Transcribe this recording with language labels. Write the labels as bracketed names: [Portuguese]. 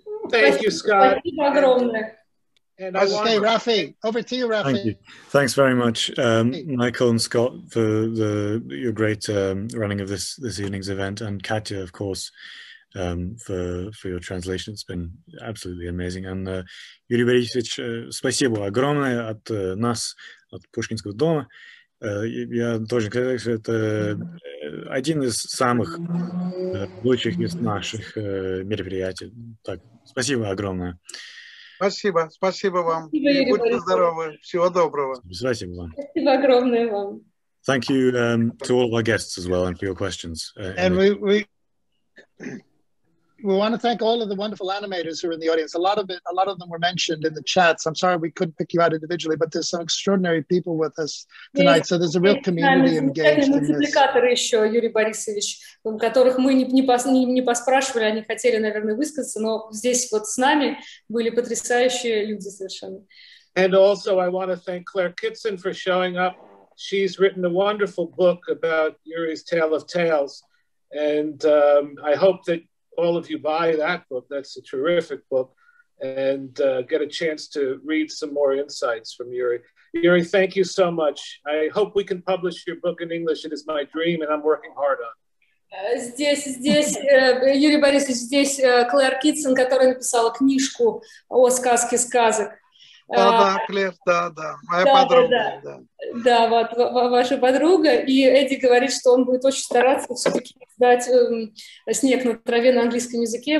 [English] thank you, Scott. Thank you, Rafi, over to you, Rafi. Thank you. Thanks very much, Michael and Scott, for your great running of this evening's event, and Katya, of course, for your translation. It's been absolutely amazing. [Russian] And Yuri Борисович, спасибо огромное от нас, от Пушкинского дома. Я должен сказать, что это один из самых лучших из наших мероприятий. Так, спасибо огромное. Спасибо вам. Спасибо, будьте здоровы. Всего доброго. Спасибо вам. Спасибо огромное вам. [English] Thank you to all of our guests as well and for your questions. And we want to thank all of the wonderful animators who are in the audience. A lot of them were mentioned in the chats. I'm sorry we couldn't pick you out individually, but there's some extraordinary people with us tonight. So there's a real community engaged in this. [Russian] Мультипликаторы еще, Юрий Борисович, которых мы не поспрашивали, они хотели, наверное, высказаться, но здесь вот с нами были потрясающие люди совершенно. [English] And also I want to thank Claire Kitson for showing up. She's written a wonderful book about Yuri's Tale of Tales. And I hope that all of you buy that book. That's a terrific book, and get a chance to read some more insights from Yuri. Yuri, thank you so much. I hope we can publish your book in English. It is my dream, and I'm working hard on it. [Russian] Здесь, Юрий Борисович, здесь Клэр Китсон, которая написала книжку о сказке сказок. Да, Клэр, да, моя подруга. Да, вот ваша подруга. И Эдди говорит, что он будет очень стараться все-таки дать «Снег на траве» на английском языке.